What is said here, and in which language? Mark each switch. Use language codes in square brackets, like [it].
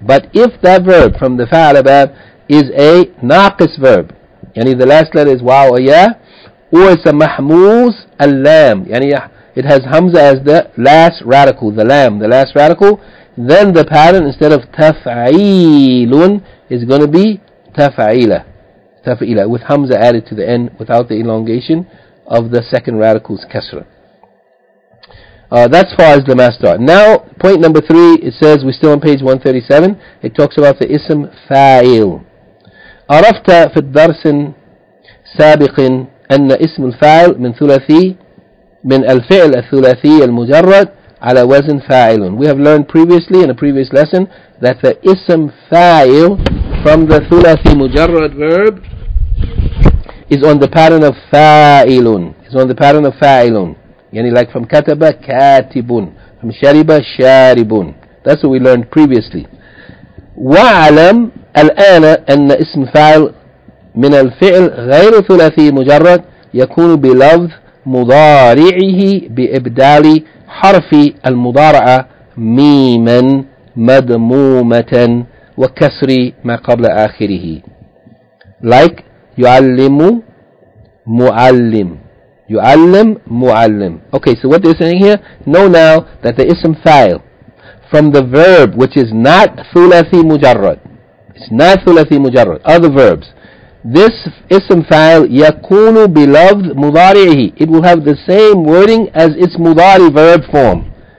[en] But if that verb from the fa'ala bab is a naqis verb, yani the last letter is waw or ya, or it's a mahmuz al-lam, yani it has hamza as the last radical, the lam, the last radical, then the pattern, instead of taf'ilun, is going to be taf'ila, taf'ila, with hamza added to the end without the elongation of the second radical's kasra. That's far as the masdar. Now, point number 3, it says, we're still on page 137, it talks about the ism fa'il. [ar] عرفت في الدرس السابق أن اسم الفاعل من ثلاثي من الفعل الثلاثي المجرد على وزن فاعل. [en] We have learned previously in a previous lesson that the ism fa'il from the ثلاثي مجرد verb is on the pattern of فاعل. It's on the pattern of فاعل. [ar] يعني like from كتب كاتب, from شرب شارب. [en] That's what we learned previously. [ar] وعلم الآن أن اسم فاعل من الفعل غير ثلاثي مجرد يكون بلفظ مضارعه بإبدال حرف المضارعة ميما مضمومة وكسر ما قبل آخره. Like يعلم معلم. يعلم معلم. [en] Okay, so what they're saying here, know now that the ism فاعل from the verb which is not ثلاثي مجرد, it's not ثلاثي مجرد, other verbs, [ar] This ism fa'il yakunu beloved mudari'ihi. [en] It will have the same wording as its mudari verb form.